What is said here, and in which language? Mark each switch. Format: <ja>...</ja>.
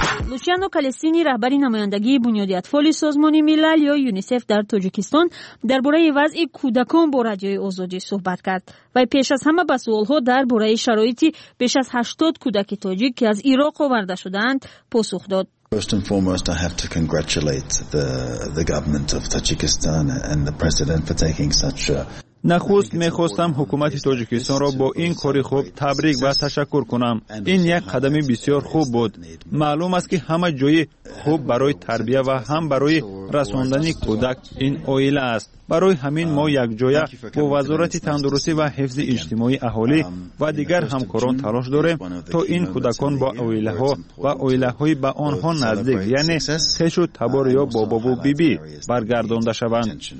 <fa>لوچیانو کالسینی رهبری نمایندگی بنیاد اطفال سازمان ملل یا یونیسف در تاجیکستان درباره وضع کودکان با رادیوی آزادی صحبت کرد و پیش از همه به سوال‌ها درباره شرایط بیش از 80 کودک تاجیک که از عراق آورده شده‌اند پاسخ داد.</fa> <en>First and foremost, I have to congratulate the government of Tajikistan and the president for taking such a</en> <fa>نخست می‌خواستم حکومت تاجیکستان را با این کاری خوب تبریک و تشکر کنم. این یک قدمی بسیار خوب بود. معلوم است که همه جای خوب برای تربیت و هم برای رساندن کودک این اویل است. برای همین ما یک جای با وزارت تندرستی و حفظ اجتماعی اهالی و دیگر همکاران تلاش داریم تا این کودکان با اویله ها و اویله های به آنها نزدیک یعنی خشو تبار یا بابا و بی بی برگردانده شوند.</fa>